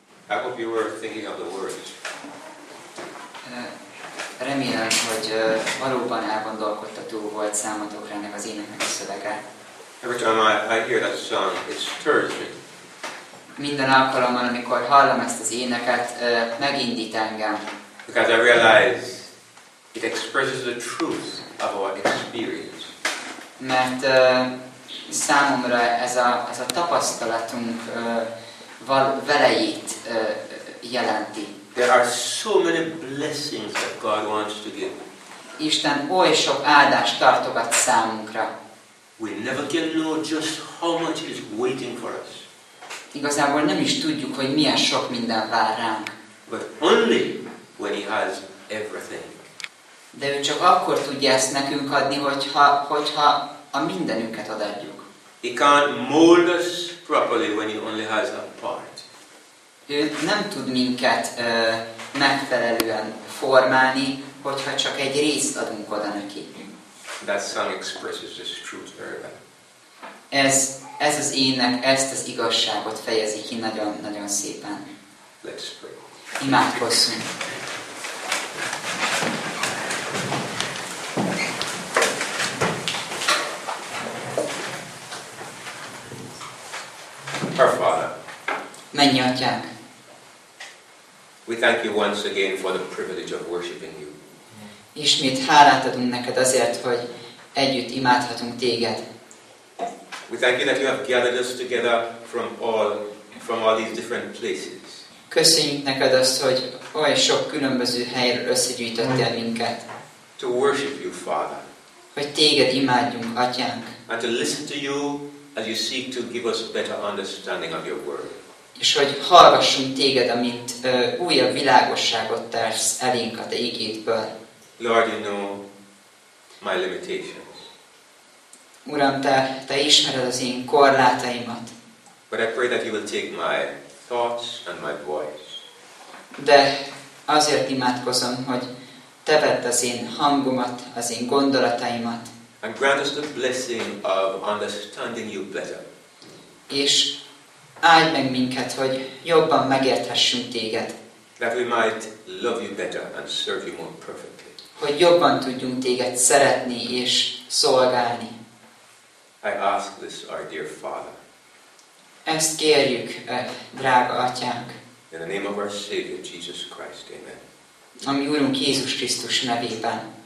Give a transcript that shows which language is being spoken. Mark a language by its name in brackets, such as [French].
[English] I hope you were thinking of the words. [Hungarian] Remélem, hogy valóban elgondolkodtató volt számotokra ennek az éneknek a szövege. [English] Every time I hear that song, it stirs me. [Hungarian] Minden alkalommal, amikor hallom ezt az éneket, megindít engem. [English] Because I realize it expresses the truth of our experience. [Hungarian] Mert számomra ez a tapasztalatunk velejét jelenti. [English] There are so many blessings that God wants to give. [Hungarian] Isten oly sok áldást tartogat számunkra. [English] We never can know just how much is waiting for us. [Hungarian] Igazából nem is tudjuk, hogy milyen sok minden vár ránk. [English] But only when He has everything. [Hungarian] De ő csak akkor tudja ezt nekünk adni, hogyha a mindenünket adjuk. [English] He can't mold us properly when He only has a part. [Hungarian] Ő nem tud minket megfelelően formálni, hogyha csak egy részt adunk oda neki. [English] That song expresses this truth very well. [Hungarian] Ez az énnek ezt az igazságot fejezi ki nagyon, nagyon szépen. [English] Let's pray. [Hungarian] Imádkozzunk. [English] Our Father. [Hungarian] Mennyi atyánk. [English] We thank you once again for the privilege of worshiping you. [Hungarian] Ismét hálát adunk neked azért, hogy együtt imádhatunk téged. [English] We thank you that you have gathered us together from all these different places. [Hungarian] Köszönjük neked azt, hogy oly sok különböző helyről összegyűjtöttél minket. [English] To worship you, Father. [Hungarian] Hogy téged imádjunk, atyánk. [English] And to listen to you as you seek to give us better understanding of your word. [Hungarian] És hogy hallgassunk téged, amint újabb világosságot tersz elénk a te ígédből. [English] Lord, you know my limitations. [Hungarian] Uram, te ismered az én korlátaimat. [English] But I pray that you will take my thoughts and my voice. [Hungarian] De azért imádkozom, hogy te vedd az én hangomat, az én gondolataimat. [English] And grant us the blessing of understanding you better. [Hungarian] És áld meg minket, hogy jobban megérthessünk téged. [English] That we might love you better and serve you more perfectly. [Hungarian] Hogy jobban tudjunk téged szeretni és szolgálni. [English] I ask this, our dear Father. [Hungarian] Ezt kérjük, drága atyánk. [English] In the name of our Savior, Jesus Christ, amen. [Hungarian] A mi Úrunk Jézus Krisztus nevében.